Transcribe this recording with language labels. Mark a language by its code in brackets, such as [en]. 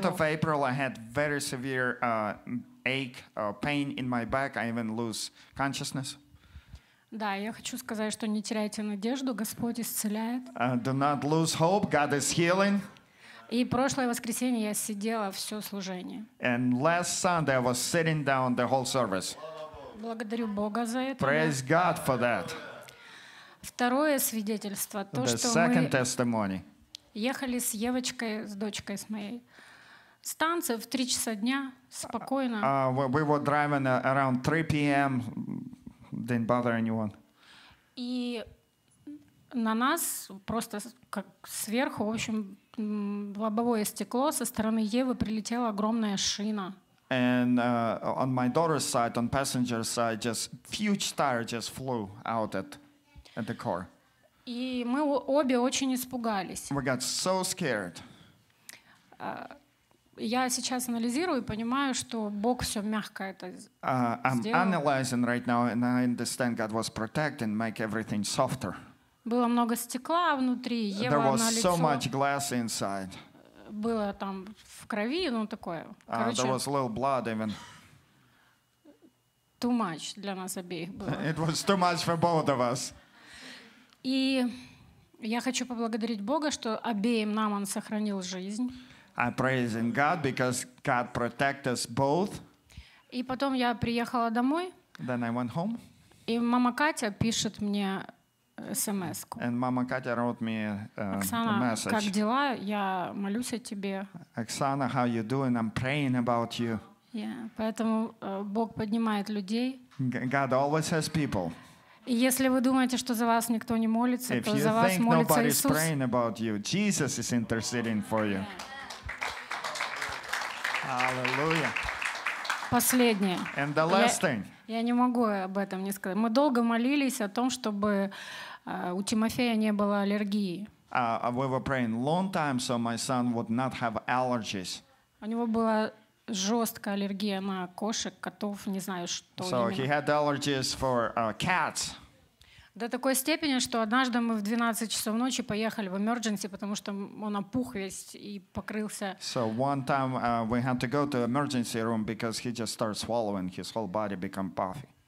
[en] End of April I had very severe ache, pain in my back, I even lose consciousness. [ru] Да, я хочу сказать, что не теряйте надежду, Господь исцеляет. [en] Do not lose hope, God is healing. [ru] И прошлое воскресенье я сидела все служение. [en] And last Sunday I was sitting down the whole service. [ru] Благодарю Бога за это. [en] Praise God for that. [ru] Второе свидетельство, то, [en] the [ru] что [en] second [ru] мы [en] testimony. [ru] Ехали с Евочкой, с дочкой с моей. Станция в 3 часа дня, спокойно. [en] We were driving around 3 p.m., didn't bother anyone. [ru] И на нас просто как сверху, в общем, лобовое стекло со стороны Евы прилетела огромная шина. [en] And on my daughter's side, on passenger side, just huge tire just flew out at the car. [ru] И мы обе очень испугались. [en] We got so scared. [ru] Я сейчас анализирую и понимаю, что Бог все мягко это [en] I'm analyzing right now and I understand God was protecting, make everything softer. [ru] Было много стекла внутри, Ева на лицо. [en] There was so much glass inside. [ru] Было там в крови, ну такое. Короче, [en] there was a little blood even. Too much [ru] для нас обеих было. [en] It was too much for both of us. [ru] И Я хочу поблагодарить Бога, что обеим нам Он сохранил жизнь. [en] I'm praising God because God protected us both. [ru] И потом я приехала домой. [en] Then I went home. [ru] И мама Катя пишет мне смс-ку. [en] And mama Katya wrote me [ru] Оксана, [en] a message. [ru] Как дела? Я молюсь о тебе. [en] Оксана, how you doing? I'm praying about you. Yeah. [ru] Поэтому Бог поднимает людей. [en] God always has people. [ru] И если вы думаете, что за вас никто не молится, [en] if [ru] то за вас молится Иисус. [en] Nobody's praying about you. Jesus is interceding for you. Hallelujah. [ru] Последнее. [en] And the last thing. [ru] Я не могу об этом не сказать. Мы долго молились о том, чтобы у Тимофея не было аллергии. [en] We were praying long time so my son would not have allergies. [ru] У него была жесткая аллергия на кошек, котов, не знаю, что. [en] So [ru] именно. [en] He had allergies for cats. [ru] До такой степени, что однажды мы в 12 часов ночи поехали в emergency, потому что он опух весь и покрылся. [en] So one time we had to go to emergency room because he just started swallowing, his whole body became puffy.